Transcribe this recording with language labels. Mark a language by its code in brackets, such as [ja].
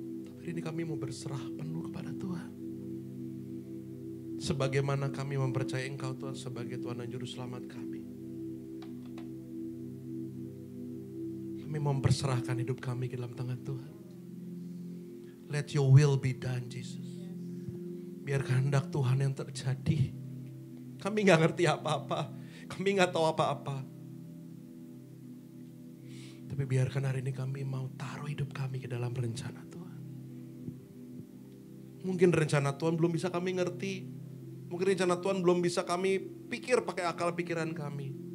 [id] Tapi ini kami mau berserah penuh kepada Tuhan. Sebagaimana kami mempercayai Engkau, Tuhan, sebagai Tuhan dan Juru Selamat kami. Kami mempersembahkan hidup kami ke dalam tangan Tuhan. [en] Let your will be done, Jesus. [id] Biar kehendak Tuhan yang terjadi. Kami gak ngerti apa-apa. Kami gak tahu apa-apa. Tapi biarkan hari ini kami mau taruh hidup kami ke dalam rencana Tuhan. Mungkin rencana Tuhan belum bisa kami ngerti. Mungkin rencana Tuhan belum bisa kami pikir pakai akal pikiran kami.